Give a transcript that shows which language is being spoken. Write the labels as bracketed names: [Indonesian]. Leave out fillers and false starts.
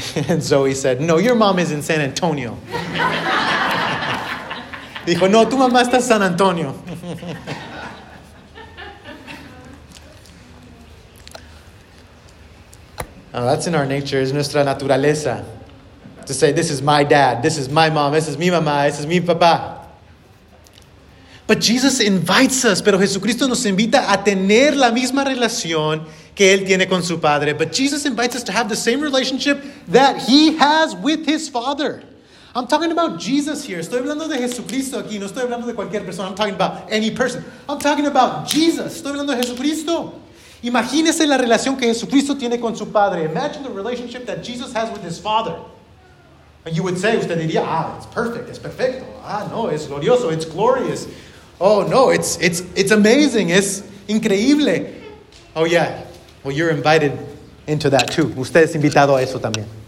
[English] And Zoe said, no, your mom is in San Antonio. [Spanish] Dijo, no, tu mamá está en San Antonio. [English] Oh, that's in our nature, [Spanish] es nuestra naturaleza. [English] To say, this is my dad, this is my mom, this is mi mamá, this is mi papá. But Jesus invites us, [Spanish] pero Jesucristo nos invita a tener la misma relación que Él tiene con su Padre. [English] But Jesus invites us to have the same relationship that He has with His Father. I'm talking about Jesus here. [Spanish] Estoy hablando de Jesucristo aquí. No estoy hablando de cualquier persona. [English] I'm talking about any person. I'm talking about Jesus. [Spanish] Estoy hablando de Jesucristo. Imagínese la relación que Jesucristo tiene con su Padre. [English] Imagine the relationship that Jesus has with His Father. And you would say, [Spanish] usted diría, [English] ah, it's perfect. [Spanish] Es perfecto. Ah, no, es glorioso. [English] It's glorious. Oh, no, it's amazing. [Spanish] Es increíble. [English] Oh, yeah. Well, you're invited into that too. [Spanish] Usted es invitado a eso también.